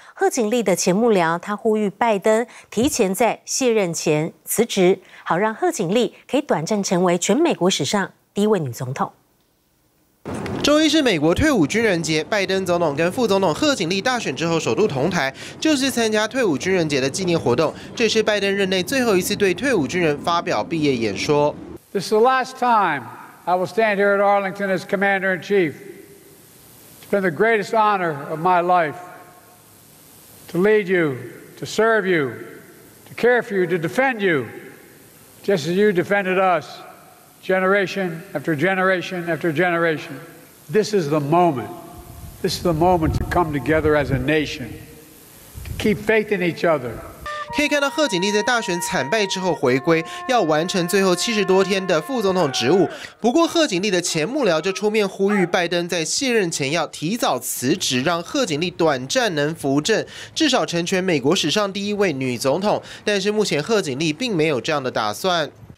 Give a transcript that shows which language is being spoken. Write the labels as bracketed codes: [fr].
[zh] 贺锦丽的前幕僚他呼吁拜登提前在卸任前辞职，好让贺锦丽可以短暂成为全美国史上第一位女总统。周一是美国退伍军人节，拜登总统跟副总统贺锦丽大选之后首度同台，就是参加退伍军人节的纪念活动。这是拜登任内最后一次对退伍军人发表毕业演说。 [en] This is the last time I will stand here at Arlington as Commander in Chief. It's been the greatest honor of my life to lead you, to serve you, to care for you, to defend you, just as you defended us. Generation after generation after generation. This is the moment. This is the moment to come together as a nation, to keep faith in each other. [zh] 可以看到贺锦丽在大选惨败之后回归，要完成最后70多天的副总统职务。不过贺锦丽的前幕僚就出面呼吁拜登在卸任前要提早辞职，让贺锦丽短暂能扶正，至少成全美国史上第一位女总统。但是目前贺锦丽并没有这样的打算。